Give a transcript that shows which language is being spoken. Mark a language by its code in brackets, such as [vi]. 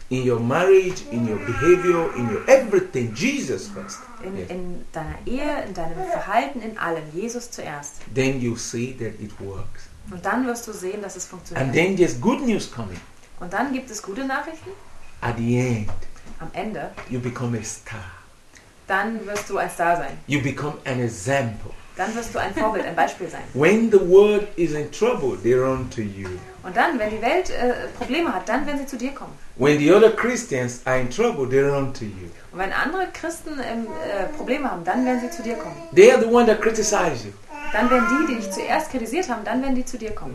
[en] In your marriage, in your behavior, in your everything, Jesus first. [de] In deiner Ehe, in deinem Verhalten, in allem, Jesus zuerst. [en] Then you see that it works. [de] Und dann wirst du sehen, dass es funktioniert. [en] And then there's good news coming. [de] Und dann gibt es gute Nachrichten. [en] At the end. [de] Am Ende. [en] You become a star. [de] Dann wirst du ein Star sein. [en] You become an example. [de] Dann wirst du ein Vorbild, ein Beispiel sein. [en] When the world is in trouble, they run to you. [de] Und dann, wenn die Welt Probleme hat, dann werden sie zu dir kommen. [en] When the other Christians are in trouble, they run to you. [de] Und wenn andere Christen Probleme haben, dann werden sie zu dir kommen. [en] They are the one that criticize you. [de] Dann werden die dich zuerst kritisiert haben, dann werden die zu dir kommen.